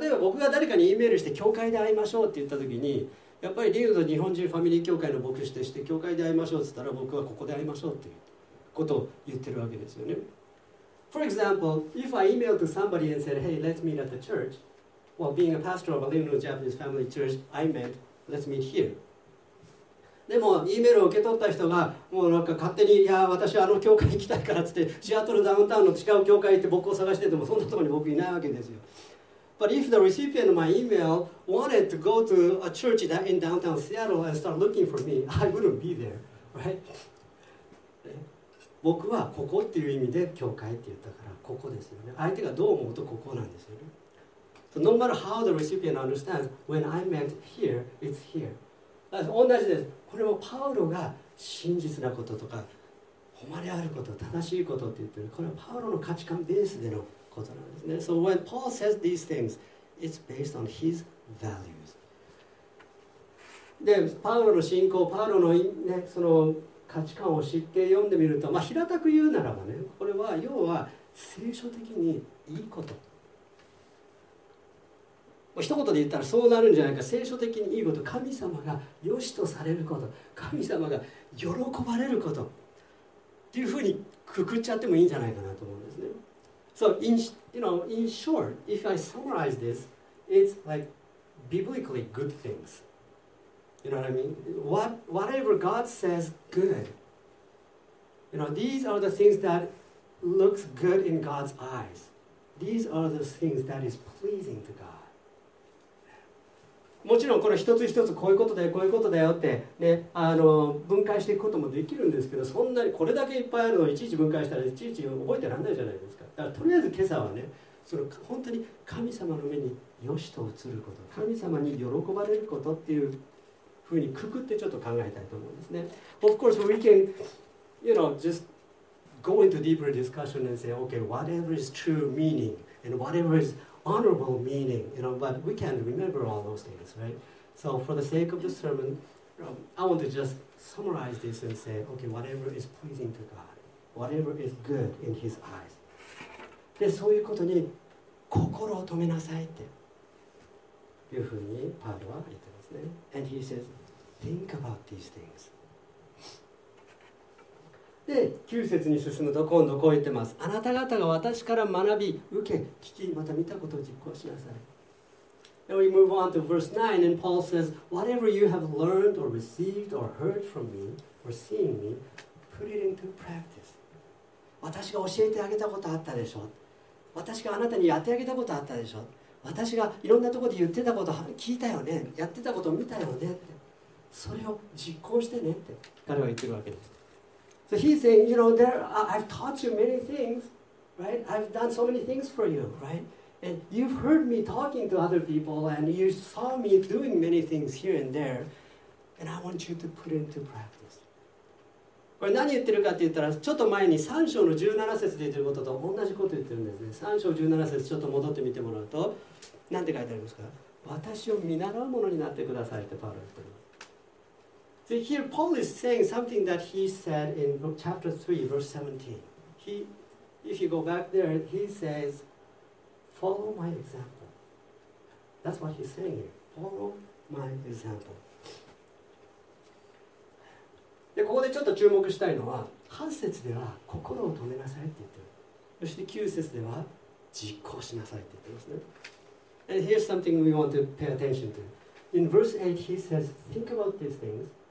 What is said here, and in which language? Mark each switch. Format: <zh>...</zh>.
<ja>例えば僕が誰かに E メールして教会で会いましょうって言ったときに、やっぱりリウの日本人ファミリー教会の牧師として教会で会いましょうって言ったら、僕はここで会いましょうっていうことを言ってるわけですよね。</ja> <en>For example, if I emailed to somebody and said, hey, let's meet at the church, well, being a pastor of a little Japanese family church, I meant, let's meet here.</en> <ja>でも、E メールを受け取った人が、もうなんか勝手に、いや、私はあの教会に行きたいからって言って、シアトルダウンタウンの違う教会に行って僕を探してても、そんなところに僕いないわけですよ。</ja> <en>But if the recipient of my email wanted to go to a church in downtown Seattle and start looking for me, I wouldn't be there, right?</en> <ja>僕はここっていう意味で教会って言ったからここですよね。相手がどう思うとここなんですよね。</ja> <en>So, no matter how the recipient understands, when I meant here, it's here. That's</en> <ja>同じです。これもパウロが真実なこととか、誉れあること、正しいことって言ってる。これはパウロの価値観ベースでのことなんですね。</ja> <en>So when Paul says these things, it's based on his values.</en> <ja>で、パウロの信仰、パウロのね、その価値観を知って読んでみると、まあ、平たく言うならばね、これは要は聖書的にいいこと。一言で言ったらそうなるんじゃないか、聖書的にいいこと、神様が良しとされること、神様が喜ばれることっていうふうにくくっちゃってもいいんじゃないかなと思うんですね。</ja> <en>So, in, you know, in short, if I summarize this, it's like biblically good things. You know what I mean? Whatever God says, good. You know, these are the things that looks good in God's eyes. These are the things that is pleasing to God.</en> <ja>もちろんこの一つ一つこういうことだよこういうことだよってね、分解していくこともできるんですけど、そんなにこれだけいっぱいあるのをいちいち分解したらいちいち覚えてらんないじゃないですか。だからとりあえず今朝はね、その本当に神様の目に良しと映ること、神様に喜ばれることっていうふうにくくってちょっと考えたいと思うんですね。</ja> <en>Of course we can, you know, just go into deeper discussion and say, okay, whatever is true meaning and whatever ishonorable meaning, you know, but we can't remember all those things, right? So for the sake of the sermon, I want to just summarize this and say, okay, whatever is pleasing to God, whatever is good in His eyes.</en> <ja>で、そういうことに心を留めなさいっていうふうにパウロは言ってますね。</ja> <en>And he says, think about these things.</en> <ja>で、9節に進むと今度こう言ってます。あなた方が私から学び、受け、聞き、また見たことを実行しなさい。</ja> <en>Then we move on to verse 9 and Paul says, whatever you have learned or received or heard from me or seen me, put it into practice.</en> <ja>私が教えてあげたことあったでしょ。私があなたにやってあげたことあったでしょ。私がいろんなところで言ってたこと聞いたよね。やってたこと見たよねって。それを実行してねって彼は言ってるわけです。</ja> <en>So he's saying, you know, there, I've taught you many things, right? I've done so many things for you, right? And you've heard me talking to other people, and you saw me doing many things here and there, and I want you to put into practice.</en> <ja>これ何言ってるかって言ったら、ちょっと前に3章の17節で言ってることと同じこと言ってるんですね。 3章17節ちょっと戻ってみてもらうと、なんて書いてありますか？私を見習うものになってくださいってパウロ言ってる。</ja> <en>So here Paul is saying something that he said in chapter 3, verse 17. He, if you go back there, he says, follow my example. That's what he's saying here. Follow my example.</en> <ja>で、ここでちょっと注目したいのは、8節では心を止めなさいって言ってる。そして9節では実行しなさいって言ってますね。</ja> <en>And here's something we want to pay attention to. In verse 8, he says, think about these things.</en>